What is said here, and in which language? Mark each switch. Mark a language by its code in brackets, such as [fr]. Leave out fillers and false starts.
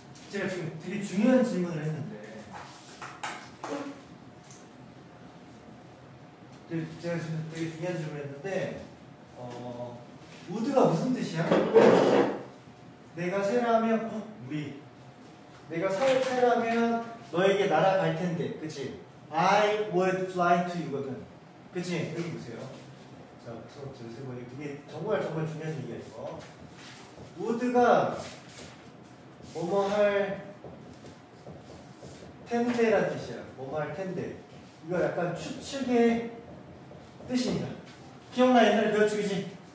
[ko] 제가 지금 되게 중요한 질문을 했는데, 제가 지금 되게 중요한 질문을 했는데, 어, would가 무슨 뜻이야? 내가 새라면, 어, 우리. 내가 새라면 너에게 날아갈 텐데, 그치? [en] I would fly to you [ko] 거든. 그치? 여기 보세요. 자, 우선 제가 이게 정말 정말 중요한 얘기야 이거. 우드가 뭐뭐 할 텐데란 뜻이야. 뭐뭐 할 텐데. 이거 약간 추측의 뜻입니다. 기억나? 옛날에 배워주기지.